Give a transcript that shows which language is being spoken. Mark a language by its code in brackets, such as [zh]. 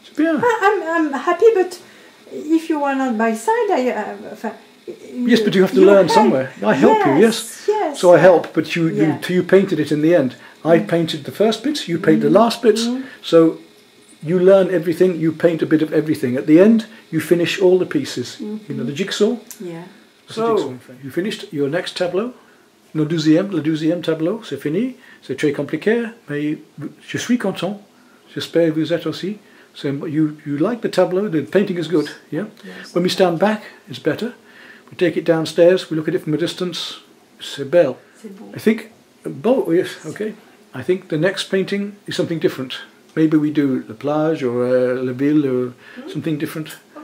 [en] I'm happy, but if you are not by side, I. Yes, but you have to you learn help. Somewhere. I help yes, you, yes. So I help, but you, yeah. you painted it in the end. I painted the first bits, you paint the last bits. Mm-hmm. So you learn everything, you paint a bit of everything. At the end, you finish all the pieces. Mm-hmm. You know, the jigsaw? Yeah. So, you finished your next tableau, [fr] le deuxième tableau, c'est fini, c'est très compliqué, mais je suis content, j'espère vous êtes aussi. [en] So, you like the tableau, the painting is good, yeah? Yes. When we stand back, it's better. We take it downstairs, we look at it from a distance, [fr] c'est belle. C'est beau. [en] I think, beau, yes, okay. I think the next painting is something different. Maybe we do [fr] la plage [en] or [fr] la ville [en] or something different.